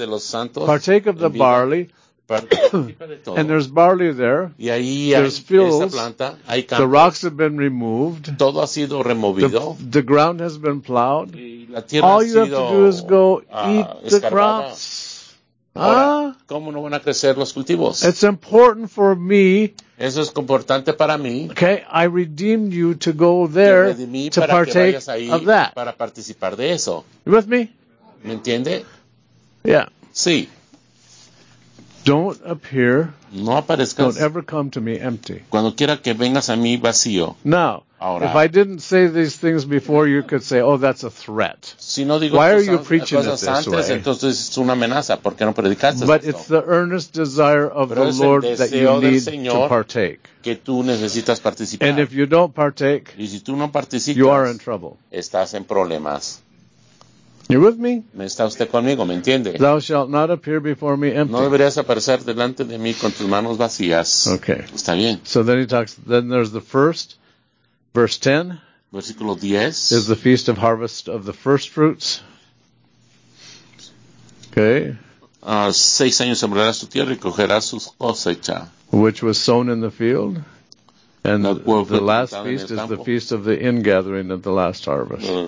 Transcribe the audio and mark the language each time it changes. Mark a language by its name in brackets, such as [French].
[Spanish] de los santos, [English] partake of the [Spanish] vida. [English] Barley. And there's barley there. [Spanish] Y ahí [English] there's [Spanish] hay [English] fields. [Spanish] Esa planta, hay campos. [English] The rocks have been removed. [Spanish] Todo ha sido removido. [English] The ground has been plowed. [Spanish] Y la tierra [English] all [Spanish] ha [English] you [Spanish] sido, [English] have to do is go eat the crops. [Spanish] Ahora, ¿cómo no van a crecer los cultivos? [English] It's important for me. [Spanish] Eso es importante para mí. [English] Okay, I redeemed you to go there to partake of that. [Spanish] Para participar de eso. [English] You with me? [Spanish] ¿Me entiende? [English] Yeah. [Spanish] Sí. [English] Don't appear. [Spanish] No aparezcas. [English] Don't ever come to me empty. [Spanish] Cuando quiera que vengas a mí vacío. [English] Now, [Spanish] ahora, [English] if I didn't say these things before, you could say, "Oh, that's a threat." [Spanish] Si no digo [English] why [Spanish] cosas, [English] are you preaching it this [Spanish] antes, [English] way? [Spanish] Entonces es una amenaza. ¿Por qué no predicaste [English] but [Spanish] esto? [English] It's the earnest desire of [Spanish] pero [English] the Lord that you need [Spanish] Señor [English] to partake. [Spanish] Que tú necesitas participar. [English] And if you don't partake, [Spanish] y si tú no participas, [English] you are in trouble. [Spanish] Estás en problemas. [English] You with me? [Spanish] ¿Me está usted conmigo, me entiende? [English] Thou shalt not appear before me empty. [Spanish] No deberías aparecer delante de mí con tus manos vacías. [English] Okay. [Spanish] Está bien. [English] So then he talks, then there's the first, verse 10. [Spanish] Versículo 10. [English] Is the feast of harvest of the first fruits. Okay. [Spanish] 6 años sembrarás tu tierra y cogerás su cosecha. [English] Which was sown in the field. And the last feast is the feast of the ingathering of the last harvest.